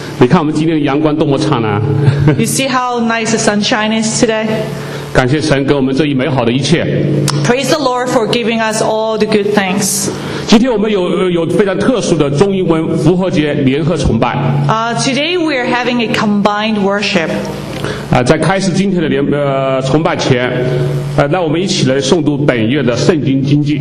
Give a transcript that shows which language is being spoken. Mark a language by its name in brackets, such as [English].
[Chinese] 你看我们今天的阳光多么灿烂 [English] You see how nice the sunshine is today? [Chinese] 感谢神给我们这一美好的一切 [English] Praise the Lord for giving us all the good things [Chinese] 今天我们 有非常特殊的中英文复活节联合崇拜 [English] Today we are having a combined worship [Chinese] 在开始今天的崇拜前那我们一起来诵读本月的圣经经句